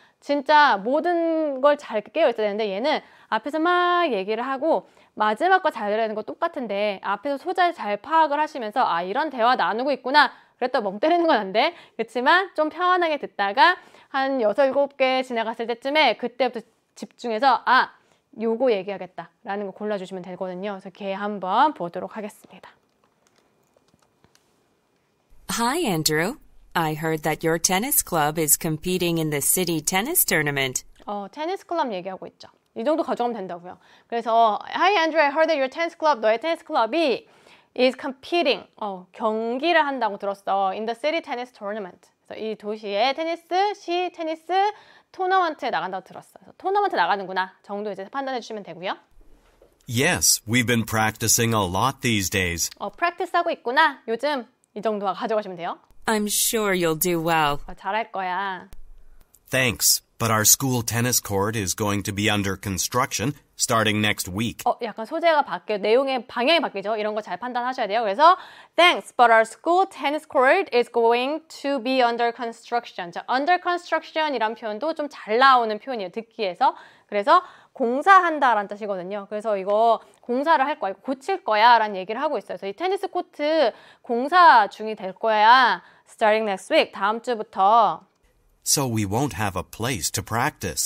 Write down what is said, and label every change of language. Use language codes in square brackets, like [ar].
[ko] 진짜 모든 걸 잘 깨어 있어야 되는데 얘는 앞에서 막 얘기를 하고 마지막 것 잘 들어야 되는 거 똑같은데 앞에서 소재 잘 파악을 하시면서 이런 대화 나누고 있구나. 그랬다 멍 때리는 건 안 돼. 그렇지만 좀 편안하게 듣다가 한 6-7개 지나갔을 때쯤에 그때부터 집중해서 요거 얘기하겠다 라는 거 골라주시면 되거든요. 그래서 걔 한번 보도록 하겠습니다. [en] Hi, Andrew. I heard that your tennis club is competing in the city tennis tournament. [ko] 테니스 클럽 얘기하고 있죠. 이 정도 가져가면 된다고요. 그래서 [en] Hi, Andrew. I heard that your tennis club, [ko] 너의 테니스 클럽이 [en] is competing, [ko] 경기를 한다고 들었어. [en] In the city tennis tournament. [ko] 그래서 이 도시의 테니스, 시 테니스 토너먼트에 나간다고 들었어요. 토너먼트 나가는구나 정도 이제 판단해 주시면 되고요. [en] Yes, we've been practicing a lot these days. [ko] Practice 하고 있구나. 요즘 이 정도 가져가시면 돼요. [en] I'm sure you'll do well. [ko] 잘할 거야. [en] Thanks, but our school tennis court is going to be under construction starting next week. [ko] 약간 소재가 바뀌어 내용의 방향이 바뀌죠. 이런 거 잘 판단하셔야 돼요. 그래서 [en] Thanks, but our school tennis court is going to be under construction. [ko] 자, under construction 이란 표현도 좀 잘 나오는 표현이에요. 듣기에서. 그래서 공사한다 라는 뜻이거든요. 그래서 이거 공사를 할 거야, 고칠 거야 라는 얘기를 하고 있어요. 그래서 이 테니스 코트 공사 중이 될 거야. [en] Starting next week, [ko] 다음 주부터. [en] So we won't have a place to practice.